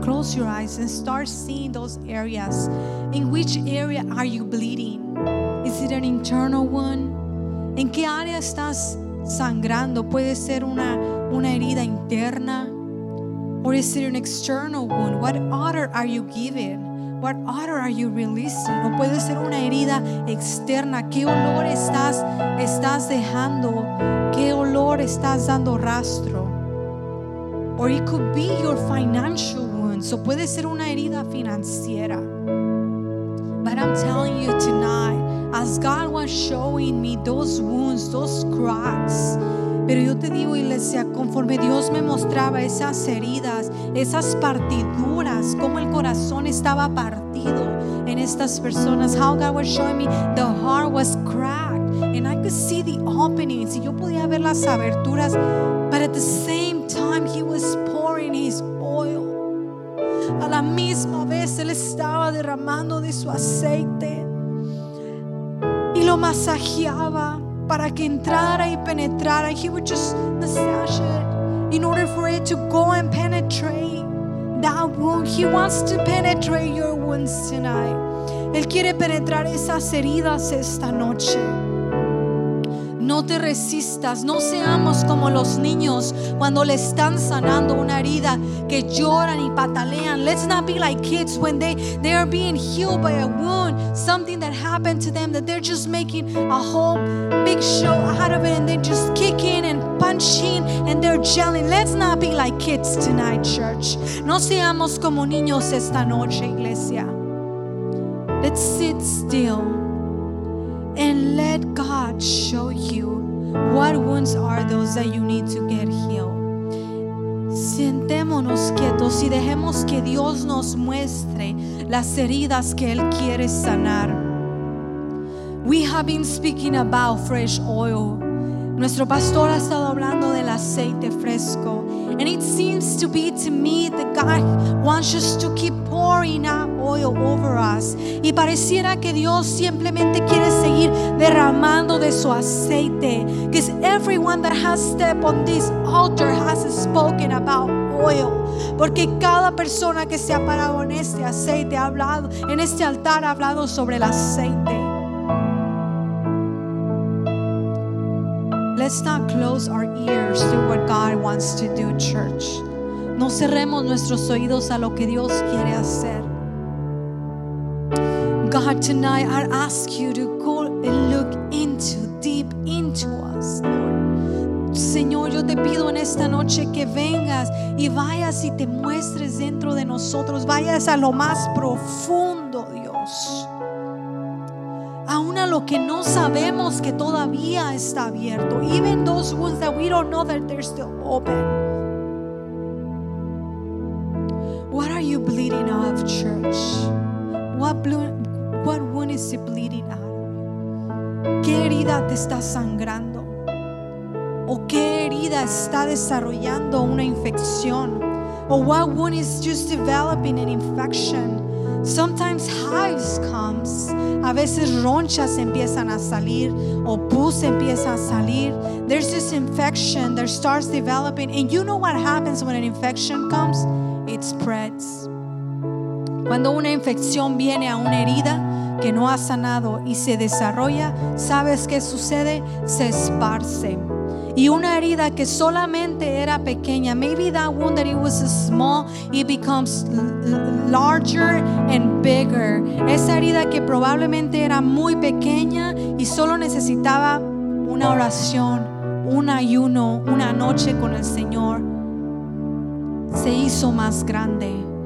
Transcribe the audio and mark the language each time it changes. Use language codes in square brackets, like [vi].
[en] Close your eyes and start seeing those areas. In which area are you bleeding? Is it an internal one? [es] ¿En qué área estás sangrando? ¿Puede ser una herida interna? [en] Or is it an external wound? What order are you giving? What order are you releasing? [es] O puede ser una herida externa. ¿Qué olor estás dejando? ¿Qué olor estás dando rastro? [en] Or it could be your financial wound. [es] So puede ser una herida financiera. [en] But I'm telling you tonight, as God was showing me those wounds, those cracks. [es] Pero yo te digo, iglesia, conforme Dios me mostraba esas heridas, esas partiduras, como el corazón estaba partido en estas personas. [en] How God was showing me the heart was cracked. And I could see the openings. [es] Y yo podía ver las aberturas. [en] But at the same time, He was pouring His oil. [es] A la misma vez, Él estaba derramando de su aceite. Y lo masajeaba. Para que entrara y penetrara. [en] He would just massage it in order for it to go and penetrate that wound. He wants to penetrate your wounds tonight. [es] Él quiere penetrar esas heridas esta noche. No te resistas. No seamos como los niños cuando le están sanando una herida, que lloran y patalean. [en] Let's not be like kids when they are being healed by a wound, something that happened to them, that they're just making a whole big show out of it, and they're just kicking and punching and they're yelling. Let's not be like kids tonight, church. [es] No seamos como niños esta noche, iglesia. [en] Let's sit still and let God show you what wounds are those that you need to get healed. [es] Sentémonos quietos y dejemos que Dios nos muestre las heridas que Él quiere sanar. [en] We have been speaking about fresh oil. [es] Nuestro pastor ha estado hablando del aceite fresco. [en] And it seems to be to me that God wants us to keep pouring out oil over us. [es] Y pareciera que Dios simplemente quiere seguir derramando de su aceite. [en] Because everyone that has stepped on this altar has spoken about oil. [es] Porque cada persona que se ha parado en este aceite ha hablado, en este altar ha hablado sobre el aceite. [en] Let's not close our ears to what God wants to do, church. [es] No cerremos nuestros oídos a lo que Dios quiere hacer. [en] God, tonight I ask you to go and look into, deep into us, Lord. [es] Señor, yo te pido en esta noche que vengas y vayas y te muestres dentro de nosotros. Vayas a lo más profundo, Dios. Aún a lo que no sabemos que todavía está abierto. [en] Even those wounds that we don't know that they're still open. What are you bleeding out of, church? What wound is it bleeding out of? [es] ¿Qué herida te está sangrando? ¿O qué herida está desarrollando una infección? [en] ¿O what wound is just developing an infection? Sometimes hives comes. [es] A veces ronchas empiezan a salir o pus empieza a salir. [en] There's this infection that starts developing, and you know what happens when an infection comes? It spreads. [es] Cuando una infección viene a una herida que no ha sanado y se desarrolla, ¿sabes qué sucede? Se esparce. Y una herida que solamente era pequeña, [en] maybe that wound that it was small, it becomes larger and bigger. [es] Esa herida que probablemente era muy pequeña y solo necesitaba una oración, un ayuno, una noche con el Señor, se hizo más grande.